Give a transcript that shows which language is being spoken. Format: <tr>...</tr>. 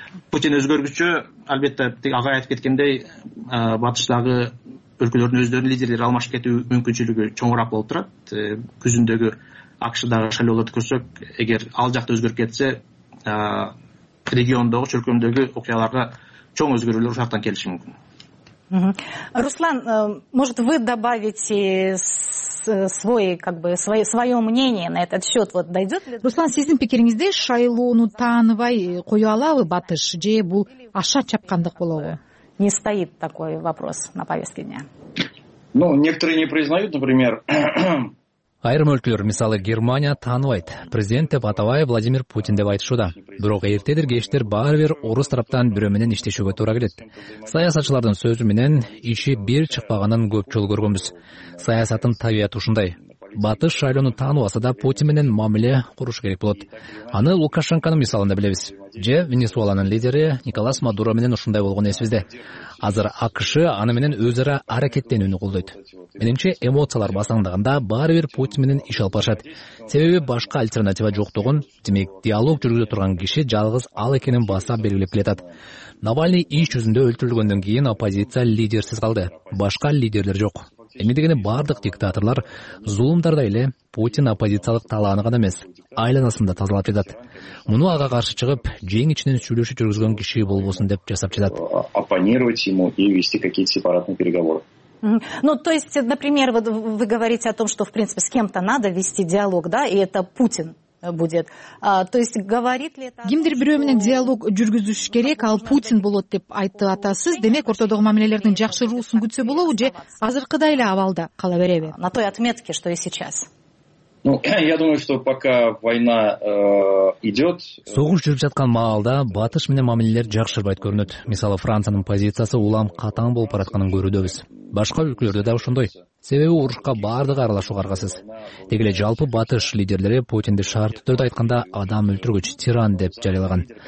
<ky>Путин өзгөргүчө, албетте ага айтып кеткендей, батыштагы өлкөлөрдүн өздөрүнүн лидерлери алмашып кетүү мүмкүнчүлүгү чоңураак болуп турат. Күзүндөгү АКШ-дагы шайлоолорду көрсөк, эгер ал жакта өзгөрүп кетсе, региондогу, чөлкөмдөгү окуяларга чоң өзгөрүүлөр ушактан келиши мүмкүн.</ky> <ru>Руслан, может вы добавите свой, как бы, свое мнение на этот счет? Вот дойдет ли?</ru> <ky>Руслан, сиздин пикириңизде шайлоону тааныбай кое алабы батыш же бул аша чапкандык болобу?</ky> <ru>Не стоит такой вопрос на повестке дня. Ну, некоторые не признают, например.</ru> <ky>Айрым өлкөлөр, мисалы Германия, тааныбайт. Президент деп атабай, Владимир Путин деп айтышууда. Бирок эртедир кечтер баары бир орус тараптан бирөө менен иштешүүгө туура келет. Саясатчылардын сөзү менен иши бир чыкпаганын көпчүлүк көргөнбүз. Саясатын табияты ушундай. Батыш шайлоону тааныбаса да Путин менен мамиле куруш керек болот. Аны Лукашенконун мисалында билебиз. Же Венесуэланын лидери Николас Мадуро менен ушундай болгон эсибизде. Азыр АКШ аны менен өз ара аракеттенүүнү колдойт. Менимче эмоциялар басаңдаганда баары бир Путин менен иш алып барышат. Себеби башка альтернатива жоктугун, демек диалог жүргүзө турган киши жалгыз ал экенин баса белгилеп келатат. Навальный иш жүзүндө өлтүрүлгөндөн кийин оппозиция лидерсиз калды. Башка лидерлер жок. Эмне дегени бардык диктаторлор зулумдардай эле Путин оппозициялык талааны гана эмес, айланасында тазалап жатат. Муну ага каршы чыгып, жең ичинен сүйлөшүп жүргүзгөн киши болбосун деп жасап жатат.</ky> <ru>Оппонировать ему и вести какие-то сепаратные переговоры. Ну, то есть, например, вот вы говорите о том, что, в принципе, с кем-то надо вести диалог, да, и это Путин будет. То есть, говорит ли это...</ru> <ky>Кимдир бирөө менен диалог жүргүзүш керек, ал Путин болот деп айтып атасыз. Демек, ортодогу мамилелердин жакшыруусун күтсө болобу же азыркыдай эле абалда кала береби?</ky> <ru>На той отметке, что и сейчас. Ну, я думаю, что пока война идет...</ru> <ky>Согуш жүрүп жаткан маалда батыш менен мамилелер жакшырбайт көрүнөт. Мисалы, Франциянын позициясы улам катаң болуп баратканын көрүүдөбүз. Башка өлкөлөрдө да ошондой. Себеби урушка баардыгы аралашууга аргасыз. Деги эле жалпы батыш лидерлери Путинди шарттуу түрдө айтканда адам өлтүргүч тиран деп жарыялаган.</ky>